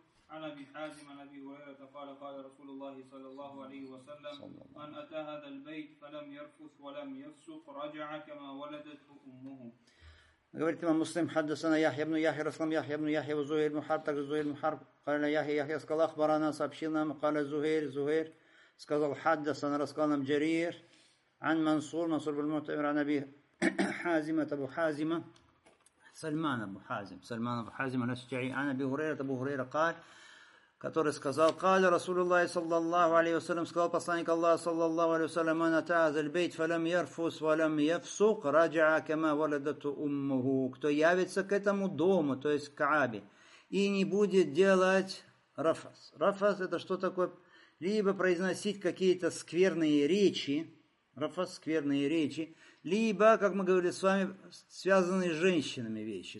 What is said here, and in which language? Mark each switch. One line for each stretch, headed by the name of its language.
Arabic: عن أبي حازم عن أبي هريرة قال رسول الله صلى الله عليه وسلم من أتى هذا البيت فلم يرفث ولم يفسق رجع كما ولدته أمه.
Russian: Говорит имам Муслим, хаддасана Яхья ибн Яхья, Раслам Яхья ибн Яхья, Зухейр ибн Харб, также Зухейр ибн Харб, каля Яхья, Яхья сказал, ахбарана, сообщил нам, каля Зухейр, сказал хаддасана, рассказал нам Джарир, ан Мансур, Мансур ибн Мутамир, ан Аби Хазима, табу Хазима, Сальмана Абу Хазим, Сальмана Абу Хазим, ан Аби Хурейра, табу Хурейра, каль, который сказал,
Arabic: قال رسول الله صلى الله عليه وسلم,
Russian: сказал посланник Аллаха
Arabic: صلى الله عليه وسلم, من أتى هذا البيت فلم يرفث ولم يفسق رجع كما ولدت أمه.
Russian: Кто явится к этому дому, то есть к Каабе, и не будет делать рафас. Рафас — это что такое? Либо произносить какие-то скверные речи, рафас — скверные речи, либо, как мы говорили с вами, связанные с женщинами вещи.